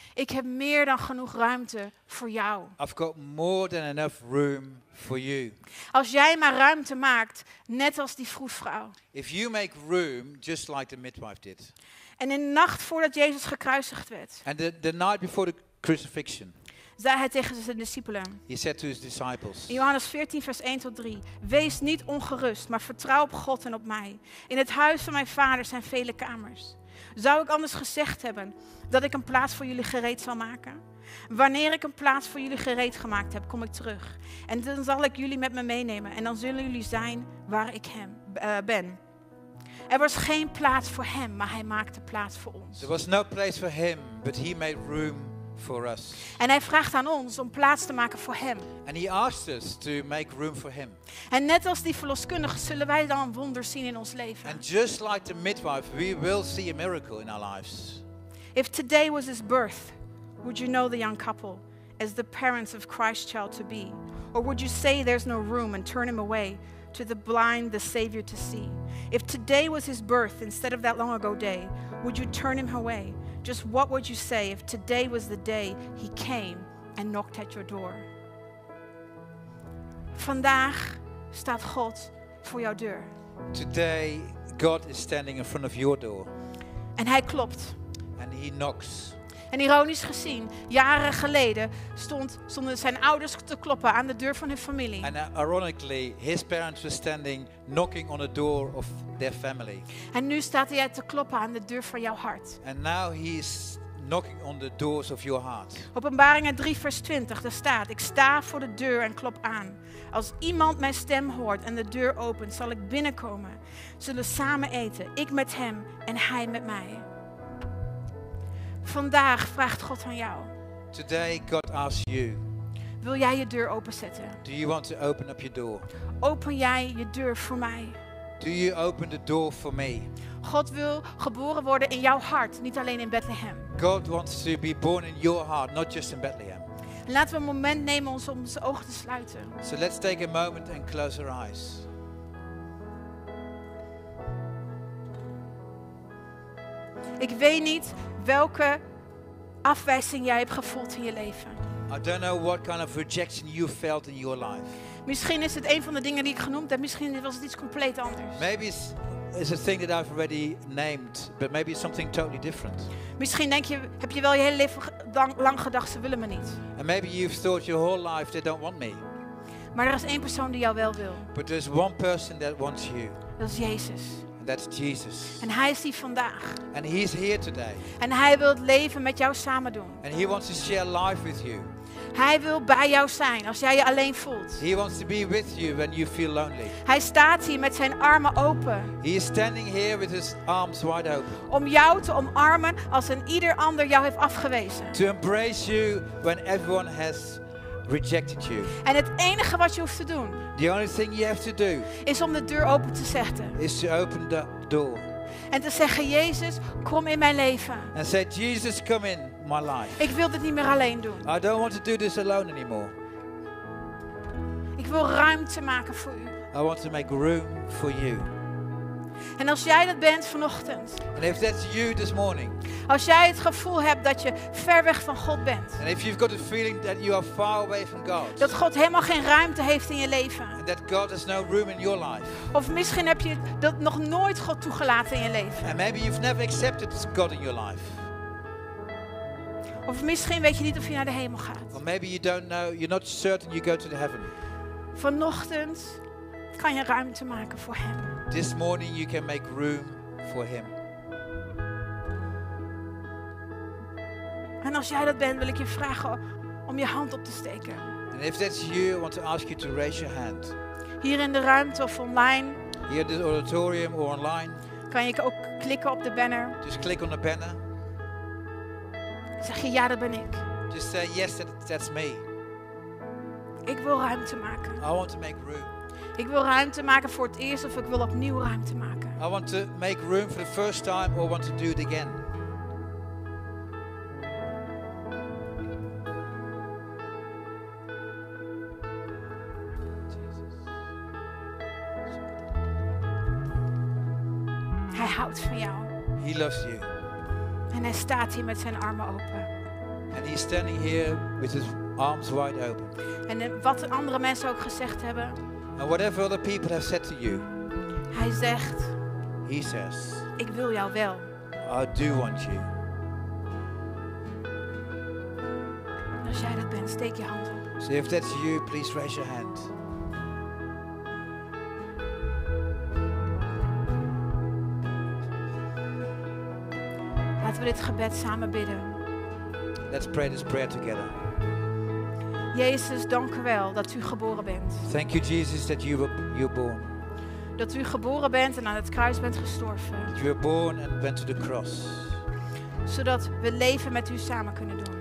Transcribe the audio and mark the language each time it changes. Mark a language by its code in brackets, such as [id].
[nl] Ik heb meer dan genoeg ruimte voor jou. [en] I've got more than enough room for you. [nl] Als jij maar ruimte maakt, net als die vroedvrouw. [en] If you make room, just like the midwife did. [nl] En in de nacht voordat Jezus gekruisigd werd. [en] And the night before the crucifixion. [nl] Zei hij tegen zijn discipelen. [en] He said to his disciples. [nl] In Johannes 14, vers 1 tot 3. Wees niet ongerust, maar vertrouw op God en op mij. In het huis van mijn vader zijn vele kamers. Zou ik anders gezegd hebben dat ik een plaats voor jullie gereed zal maken? Wanneer ik een plaats voor jullie gereed gemaakt heb, kom ik terug. En dan zal ik jullie met me meenemen. En dan zullen jullie zijn waar ik ben. Er was geen plaats voor hem, maar hij maakte plaats voor ons. [en] There was no place for him, but he made room. For us. [nl] En hij vraagt aan ons om plaats te maken voor hem. [en] And he asked us to make room for him. [nl] En net als die verloskundige zullen wij dan een wonder zien in ons leven. [en] And just like the midwife, we will see a miracle in our lives. If today was his birth, would you know the young couple as the parents of Christ's child to be? Or would you say there's no room and turn him away to the blind, the Savior to see? If today was his birth instead of that long ago day, would you turn him away? Just what would you say if today was the day he came and knocked at your door? [nl] Vandaag staat God voor jouw deur. [en] Today God is standing in front of your door. [nl] En hij klopt. [en] And he knocks. [nl] En ironisch gezien, jaren geleden stonden zijn ouders te kloppen aan de deur van hun familie. [en] And ironically, his parents were standing knocking on the door of their family. [nl] En nu staat hij te kloppen aan de deur van jouw hart. [en] And now he is knocking on the doors of your heart. [nl] Openbaringen 3 vers 20, daar staat: ik sta voor de deur en klop aan. Als iemand mijn stem hoort en de deur opent, zal ik binnenkomen. Zullen samen eten, ik met hem en hij met mij. Vandaag vraagt God aan jou. [en] Today God asks you. [nl] Wil jij je deur openzetten? [en] Do you want to open up your door? [nl] Open jij je deur voor mij? [en] Do you open the door for me? [nl] God wil geboren worden in jouw hart, niet alleen in Bethlehem. [en] God wants to be born in your heart, not just in Bethlehem. [nl] Laten we een moment nemen om onze ogen te sluiten. [en] So let's take a moment and close our eyes. [nl] Ik weet niet welke afwijzing jij hebt gevoeld in je leven. [en] I don't know what kind of rejection you felt in your life. [nl] Misschien is het een van de dingen die ik genoemd heb. Misschien was het iets compleet anders. [en] Maybe it's a thing that I've already named, but maybe it's something totally different. [nl] Misschien denk je, heb je wel je hele leven lang gedacht, ze willen me niet. [en] And maybe you've thought your whole life they don't want me. [nl] Maar er is één persoon die jou wel wil. [en] But there's one person that wants you. [nl] Dat is Jezus. [en] That's Jesus. [nl] En hij is hier vandaag. [en] And he's here today. [nl] En hij wil het leven met jou samen doen. [en] And he wants to share life with you. [nl] Hij wil bij jou zijn als jij je alleen voelt. [en] He wants to be with you when you feel lonely. [nl] Hij staat hier met zijn armen open. [en] He is standing here with his arms wide open. [nl] Om jou te omarmen als een ieder ander jou heeft afgewezen. [en] To embrace you when everyone has rejected you. [nl] En het enige wat je hoeft te doen. [en] The only thing you have to do. [nl] Is om de deur open te zetten. [en] Is to open the door. [nl] En te zeggen: Jezus, kom in mijn leven. [en] And say, Jesus, come in my life. [nl] Ik wil dit niet meer alleen doen. [en] I don't want to do this alone anymore. [nl] Ik wil ruimte maken voor u. [en] I want to make room for you. [nl] En als jij dat bent vanochtend. [en] And if that's you this morning. [nl] Als jij het gevoel hebt dat je ver weg van God bent. [en] And if you've got a feeling that you are far away from God. [nl] Dat God helemaal geen ruimte heeft in je leven. [en] And that God has no room in your life. [nl] Of misschien heb je dat nog nooit God toegelaten in je leven. [en] And maybe you've never accepted God in your life. [nl] Of misschien weet je niet of je naar de hemel gaat. [en] Or maybe you don't know, you're not certain you go to the heaven. [nl] Vanochtend kan je ruimte maken voor hem. [en] This morning you can make room for him. [nl] En als jij dat bent, wil ik je vragen om je hand op te steken. [en] And if that's you, I want to ask you to raise your hand. [nl] Hier in de ruimte of online. [en] here at the auditorium or online. [nl] Kan je ook klikken op de banner? [en] Just click on the banner. [nl] Zeg je ja, dat ben ik. [en] Just say yes, that's me. [nl] Ik wil ruimte maken. [en] I want to make room. [nl] Ik wil ruimte maken voor het eerst of ik wil opnieuw ruimte maken. [en] I want to make room for the first time or want to do it again. [nl] En hij staat hier met zijn armen open. [en] And he's standing here with his arms wide open. [nl] En wat andere mensen ook gezegd hebben. [en] And whatever other people have said to you. [nl] Hij zegt. [en] He says. [nl] Ik wil jou wel. [en] I do want you. [nl] En als jij dat bent, steek je hand op. [en] So if that's you, please raise your hand. [nl] Laten we dit gebed samen bidden. [en] Let's pray this prayer together. [nl] Jezus, dank u wel dat u geboren bent. [en] Thank you, Jesus, that you were born. [nl] Dat u geboren bent en aan het kruis bent gestorven. [en] That you were born and went to the cross. [nl] Zodat we leven met u samen kunnen doen.